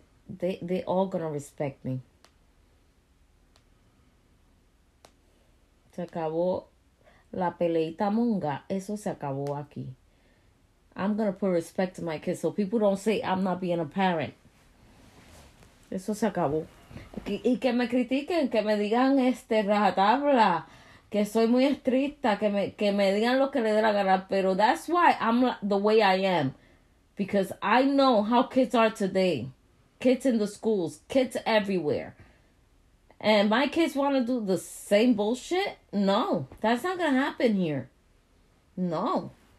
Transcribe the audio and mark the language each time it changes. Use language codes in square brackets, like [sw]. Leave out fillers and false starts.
[en] They all going to respect me. [es] Se acabó la peleita monga. Eso se acabó aquí. [en] I'm going to put respect to my kids so people don't say I'm not being a parent. [es] Eso se acabó. Y que me critiquen, que me digan rajatabla, que soy muy estricta, que me digan lo que le dé la gana. [en] Pero that's why I'm the way I am. Because I know how kids are today. Kids in the schools, kids everywhere. And my kids want to do the same bullshit? No, that's not going to happen here. No.